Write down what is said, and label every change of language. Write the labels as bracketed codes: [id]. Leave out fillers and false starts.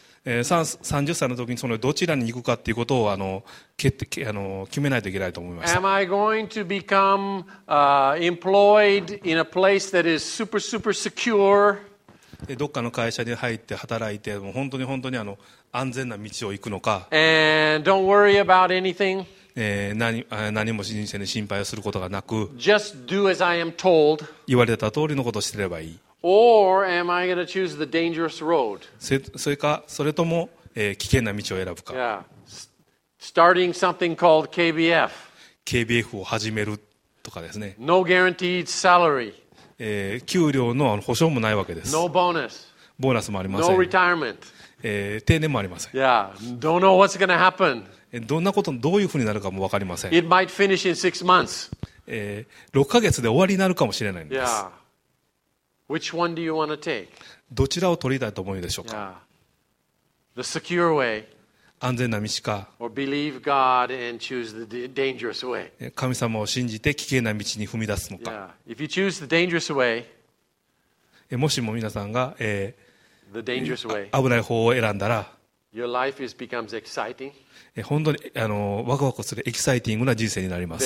[ja] 30歳の時にそのどちらに行くかということを決めないといけないと思いました。 [en] Am I going to become, employed in a place that is super, super secure? [ja] どっかの会社に入って働いて、もう本当に本当に安全な道を行くのか。 [en] And don't worry about anything. [ja] 何も人生に心配をすることがなく、 [en] Just do as I am told. [ja] 言われた通りのことをしてればいい。 [en] Or am I going to choose the dangerous road? [ja] それとも、危険な道を選ぶか。 [en] Yeah. Starting something called KBF. [ja] KBF を始めるとかですね。 [en] No guaranteed salary. [ja] 給料の保証もないわけです。 [en] No bonus. [ja] ボーナスもありません。 [en] No retirement. [ja] 定年もありません。 [en] Yeah. Don't know what's going to happen. [ja] どういうふうになるかもわかりません。 [en] It might finish in six months. [ja] 6ヶ月で終わりになるかもしれないんです。 [en] Yeah. Which one do you want to take? [ja] どちらを取りたいと思うでしょうか。 [en] The secure way. [ja] 安全な道か。 [en] Or believe God and choose the dangerous way. [ja] 神様を信じて危険な道に踏み出すのか。 [en] Yeah. If you choose the dangerous way. [ja] もしも皆さんが、 [en] the dangerous way. [ja] 危ない方を選んだら。 [en] Your life becomes exciting. [ja] 本当にワクワクするエキサイティングな人生になります。